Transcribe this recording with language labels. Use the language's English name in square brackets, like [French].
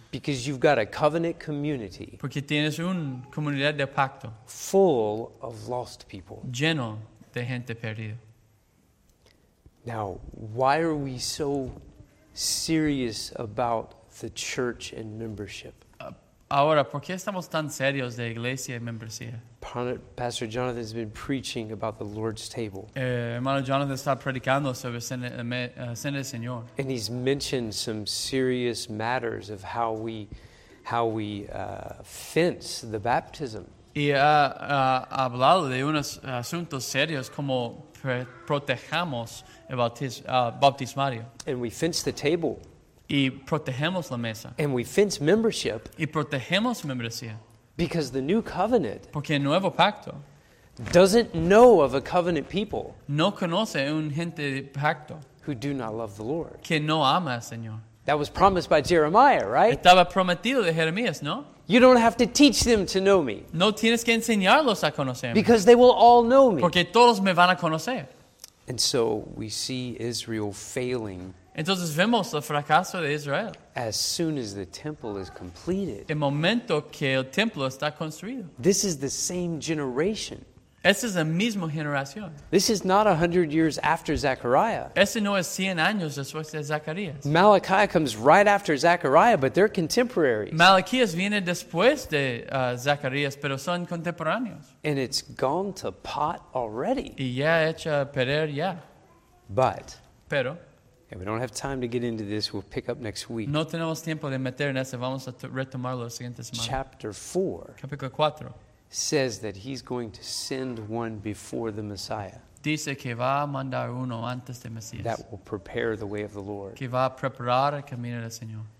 [English] Because you've got a covenant community. [Spanish] Porque tienes un comunidad de pacto. [English] Full of lost people. [Spanish] Lleno de gente perdida. [English] Now, why are we so serious about the church and membership? [Spanish] Ahora, ¿por qué estamos tan serios de iglesia y membresía? [English] Pastor Jonathan has been preaching about the Lord's table. [Spanish] Hermano Jonathan está predicando sobre cena del Señor. [English] And he's mentioned some serious matters of how we fence the baptism. [Spanish] Y ha hablado de unos asuntos serios como protejamos el bautismario. [English] And we fence the table. [Spanish] Y protegemos la mesa. [English] And we fence membership. [Spanish] Y protegemos membresía. [English] Because the new covenant, [Spanish] porque el nuevo pacto, [English] doesn't know of a covenant people, [Spanish] no conoce un gente de pacto, [English] who do not love the Lord, [Spanish] que no ama al Señor. [English] That was promised by Jeremiah, right? [Spanish] Estaba prometido de Jeremías, ¿no? [English] You don't have to teach them to know me. [Spanish] No tienes que enseñarlos a conocerme. [English] Because they will all know me. [Spanish] Porque todos me van a conocer. [English] And so we see Israel failing. [Spanish] Entonces vemos el fracaso de Israel. [English] As soon as the temple is completed. [Spanish] El momento que el templo está construido. [English] This is the same generation. [Spanish] Esa es la misma generación. [English] This is not 100 years after Zechariah. [Spanish] Ese no es 100 años después de Zacarías. [English] Malachi comes right after Zechariah, but they're contemporaries. [Spanish] Malaquías viene después de Zacarías, pero son contemporáneos. [English] And it's gone to pot already. [Spanish] Y ya hecha perder ya. [English] But. [Spanish] Pero. [English] And we don't have time to get into this. We'll pick up next week. [Spanish] No tenemos tiempo de meter en eso. Vamos a retomarlo la siguiente semana. [English] Chapter 4. [Spanish] Capítulo 4. [English] Says that he's going to send one before the Messiah. [Spanish] Dice que va a mandar uno antes de Mesías. [English] That will prepare the way of the Lord. [Spanish] Que va a preparar el camino del Señor.